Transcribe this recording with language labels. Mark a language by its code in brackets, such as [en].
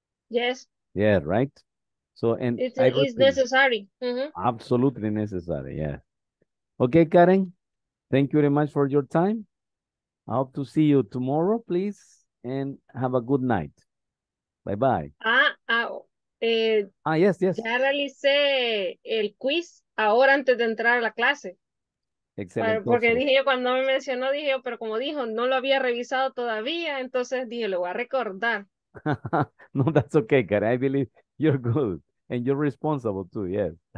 [en] Yes. Yeah, right? So, and it's necessary. Mm-hmm. Absolutely necessary, yeah. Okay, Karen, thank you very much for your time. I hope to see you tomorrow, please, and have a good night. Bye-bye. Yes. [es] Ya realicé el quiz ahora antes de entrar a la clase. Excelente. Porque dije yo, cuando me mencionó, dije yo, pero como dijo, no lo había revisado todavía, entonces dije, lo voy a recordar. [en] No, that's okay, Karen. I believe you're good and you're responsible too, yes.